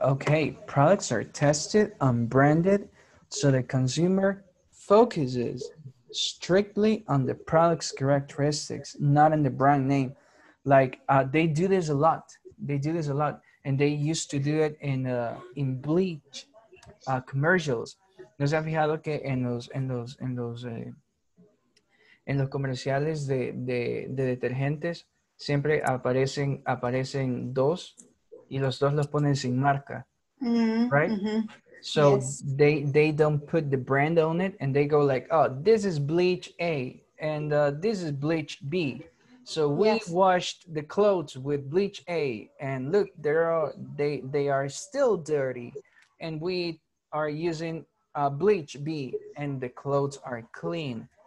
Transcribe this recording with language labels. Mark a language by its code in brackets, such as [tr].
[en] Okay, products are tested on branded so the consumer focuses strictly on the product's characteristics, not in the brand name. Like they do this a lot. They do this a lot. And they used to do it in bleach commercials. [es] ¿No se ha fijado que en los comerciales de detergentes siempre aparecen dos y los dos los ponen sin marca? Mm-hmm. [en] Right? Mm-hmm. So yes. they don't put the brand on it and they go like, oh, this is bleach A and this is bleach B. So we washed the clothes with bleach A and look, they are still dirty and we are using bleach B and the clothes are clean.